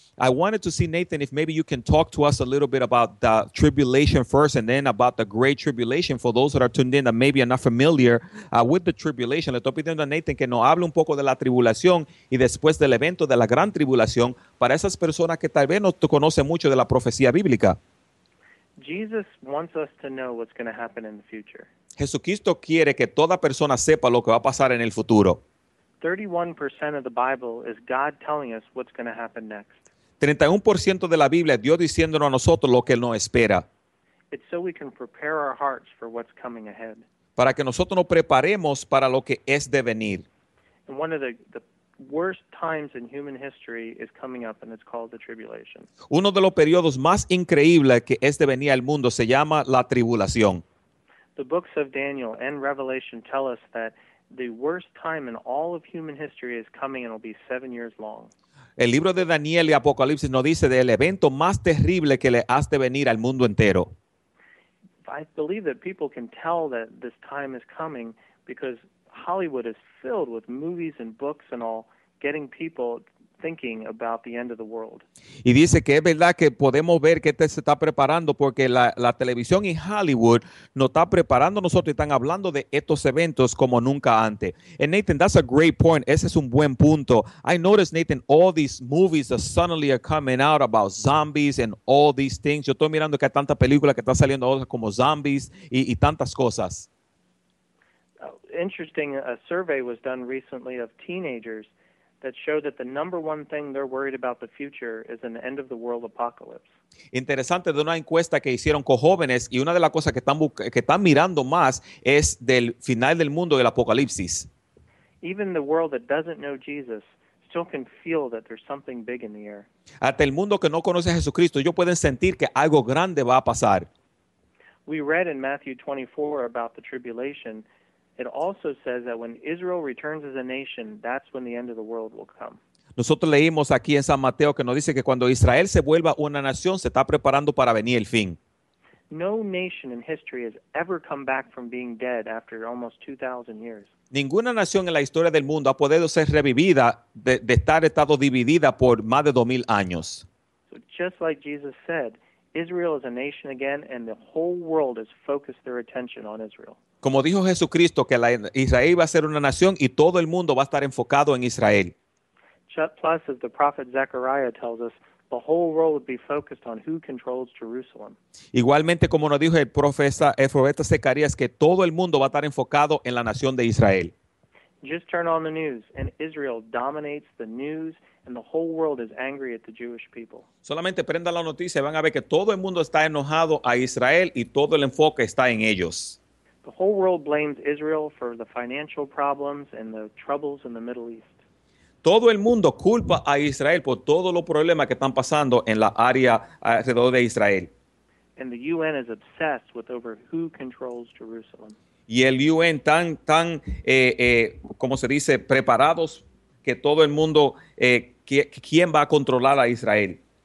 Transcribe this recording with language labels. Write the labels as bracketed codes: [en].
[en] I wanted to see, Nathan, if maybe you can talk to us a little bit about the tribulation first and then about the great tribulation for those that are tuned in that maybe are not familiar with the tribulation. [es] Le estoy pidiendo a Nathan que nos hable un poco de la tribulación y después del evento de la gran tribulación para esas personas que tal vez no conocen mucho de la profecía bíblica. [en] Jesus wants us to know what's going to happen in the future. [es] Jesucristo quiere que toda persona sepa lo que va a pasar en el futuro. [en] 31% of the Bible is God telling us what's going to happen next. [es] 31% de la Biblia es Dios diciéndonos a nosotros lo que nos espera. [en] It's so we can prepare our hearts for what's coming ahead. [es] Para que nosotros nos preparemos para lo que es de venir. [en] And one of the worst times in human history is coming up, and it's called the tribulation. [es] Uno de los periodos más increíbles que es de venir al mundo se llama la tribulación. [en] The books of Daniel and Revelation tell us that the worst time in all of human history is coming, and it'll be 7 years long. [es] El libro de Daniel y Apocalipsis nos dice del evento más terrible que le has de venir al mundo entero. [en] I believe that people can tell that this time is coming because Hollywood is filled with movies and books and all, getting people thinking about the end of the world. [es] Y dice que es verdad que podemos ver que este se está preparando porque la televisión y Hollywood nos está preparando nosotros y están hablando de estos eventos como nunca antes. [en] And Nathan, that's a great point. [es] Ese es un buen punto. [en] I noticed, Nathan, all these movies that suddenly are coming out about zombies and all these things. [es] Yo estoy mirando que hay tanta película que está saliendo ahora como zombies y tantas cosas. [en] Interesting, a survey was done recently of teenagers that showed that the number one thing they're worried about the future is an end of the world apocalypse. [es] Interesante, de una encuesta que hicieron con jóvenes y una de las cosas que están mirando más es del final del mundo, el apocalipsis. [en] Even the world that doesn't know Jesus still can feel that there's something big in the air. [es] Hasta el mundo que no conoce a Jesucristo, ellos pueden sentir que algo grande va a pasar. [en] We read in Matthew 24 about the tribulation. It also says that when Israel returns as a nation, that's when the end of the world will come. [es] Nosotros leímos aquí en San Mateo que nos dice que cuando Israel se vuelva una nación, se está preparando para venir el fin. [en] No nation in history has ever come back from being dead after almost 2,000 years. [es] Ninguna nación en la historia del mundo ha podido ser revivida de estar estado dividida por más de 2,000 años. [en] So just like Jesus said, Israel is a nation again, and the whole world has focused their attention on Israel. [es] Como dijo Jesucristo, que Israel iba a ser una nación y todo el mundo va a estar enfocado en Israel. [en] Plus, as the prophet Zechariah tells us, the whole world would be focused on who controls Jerusalem. [es] Igualmente, como nos dijo el profeta Zecarías, que todo el mundo va a estar enfocado en la nación de Israel. [en] Just turn on the news, and Israel dominates the news, and the whole world is angry at the Jewish people. [es] Solamente prenda la noticia y van a ver que todo el mundo está enojado a Israel y todo el enfoque está en ellos. [en] The whole world blames Israel for the financial problems and the troubles in the Middle East. [es] Todo el mundo culpa a Israel por todos los problemas que están pasando en la área alrededor de Israel. [en] And the UN is obsessed with over who controls Jerusalem. [es] Y el UN tan, como se dice, preparados que todo el mundo, ¿quién va a controlar a Israel?